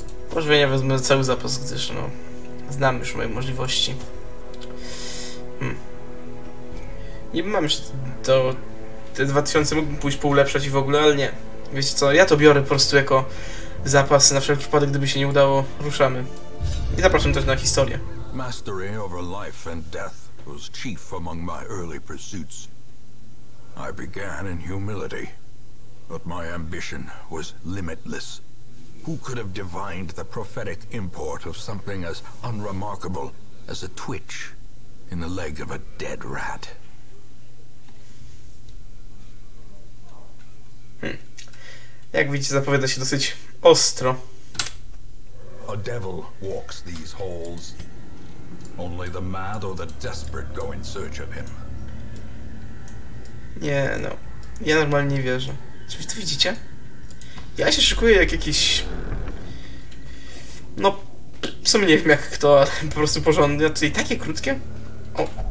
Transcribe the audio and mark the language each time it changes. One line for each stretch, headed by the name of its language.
Polish: Pożywienia wezmę cały zapas, gdyż no, znam już moje możliwości. Niby mam jeszcze to. Te 2000 mógłbym pójść poulepszać i w ogóle, ale nie. Wiecie co, ja to biorę po prostu jako zapas na wszelki wypadek, gdyby się nie udało, ruszamy. I zapraszam też na historię.
English: Mastery over life and death was chief among my early pursuits. I began in humility, but my ambition was limitless. Who could have divined the prophetic import of something as unremarkable as a twitch in the leg of a dead rat?
Polish: Jak widzicie, zapowiada się dosyć ostro.
English: A devil walks these halls. Only the mad or the desperate go in search of him.
Polish: Nie, no. Ja normalnie nie wierzę. Czy wy to widzicie? Ja się szykuję jak jakiś. No. W sumie nie wiem jak kto, ale po prostu porządnie. Czyli takie krótkie? O.